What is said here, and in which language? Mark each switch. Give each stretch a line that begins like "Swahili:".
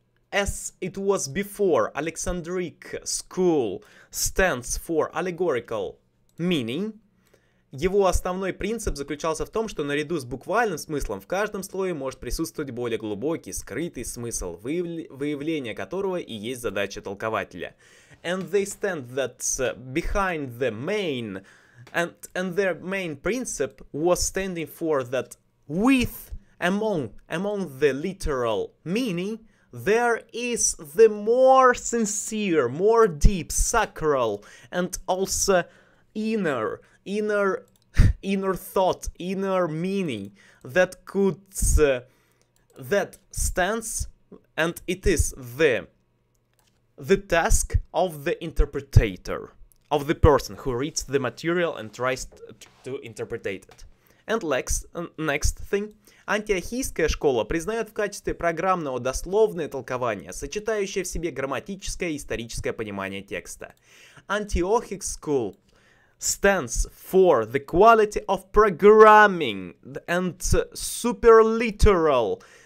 English: As it was before, Alexandric school stands for allegorical meaning.
Russian: Его основной принцип заключался в том, что наряду с буквальным смыслом в каждом слое может присутствовать более глубокий, скрытый смысл, выявление которого и есть задача толкователя.
English: And they stand that behind the main, and their main principle was standing for that with, among the literal meaning, there is the more sincere, more deep, sacral, and also inner thought, inner meaning that could, that stands, and it is the task of the interpreter, of the person who reads the material and tries to interpret it. And next thing.
Russian: Антиохийская школа признает в качестве программного дословное толкование, сочетающее в себе грамматическое и историческое понимание текста.
English: Antiochic school stands for the quality of programming and super literal.